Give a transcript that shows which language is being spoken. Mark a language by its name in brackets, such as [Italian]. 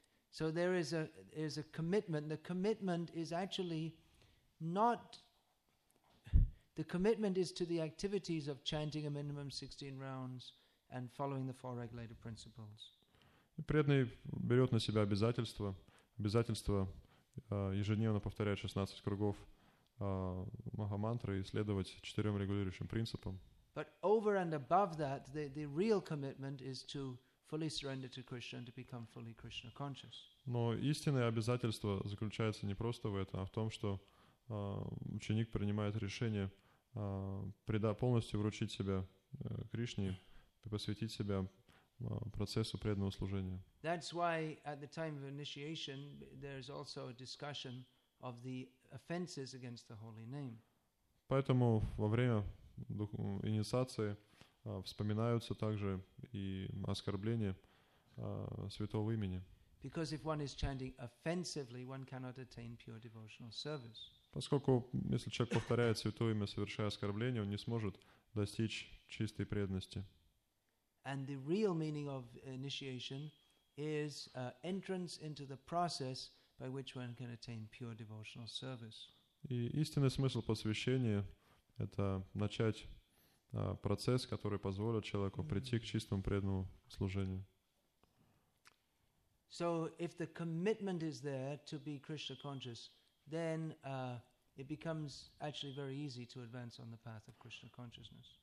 [English] So there is a commitment. The commitment is actually not... The commitment is to the activities of chanting a minimum 16 rounds and following the four regulated principles. [Russian] Преданный берет на себя обязательство ежедневно повторять 16 кругов Махамантры и следовать четырем регулирующим принципам. [English] But over and above that, the real commitment is to fully surrender to Krishna and to become fully Krishna conscious. [Russian] Но истинное обязательство заключается не просто в этом, а в том, что ученик принимает решение полностью вручить себя Кришне и посвятить себя процессу преданного служения. [English] That's why at the time of initiation there is also a discussion of the offenses against the holy name. [Russian] Поэтому во время инициации вспоминаются также и оскорбления святого имени. [English] Because if one is chanting offensively, one cannot attain pure devotional service. [Russian] Поскольку если человек повторяет святое имя, совершая оскорбление, он не сможет достичь чистой преданности. [English] And the real meaning of initiation is entrance into the process by which one can attain pure devotional service. [Russian] И истинный смысл посвящения — это начать процесс, который позволит человеку прийти к чистому преданному служению. [English] So if the commitment is there to be Krishna conscious, then it becomes actually very easy to advance on the path of Krishna consciousness.